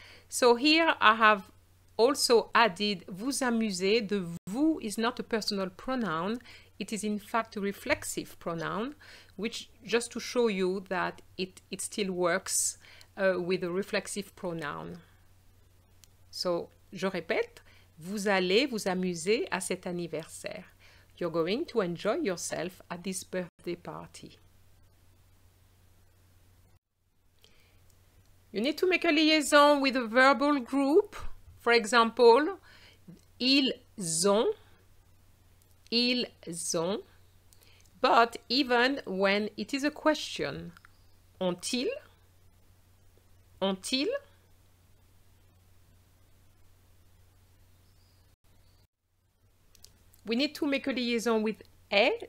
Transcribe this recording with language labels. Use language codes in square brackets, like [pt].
[en] So here I have also added vous amuser. The vous is not a personal pronoun. It is in fact a reflexive pronoun, which just to show you that it still works with a reflexive pronoun. [fr] So, je répète, vous allez vous amuser à cet anniversaire. [en] You're going to enjoy yourself at this birthday party. You need to make a liaison with a verbal group. For example, ils ont, but even when it is a question, ont-ils, we need to make a liaison with est.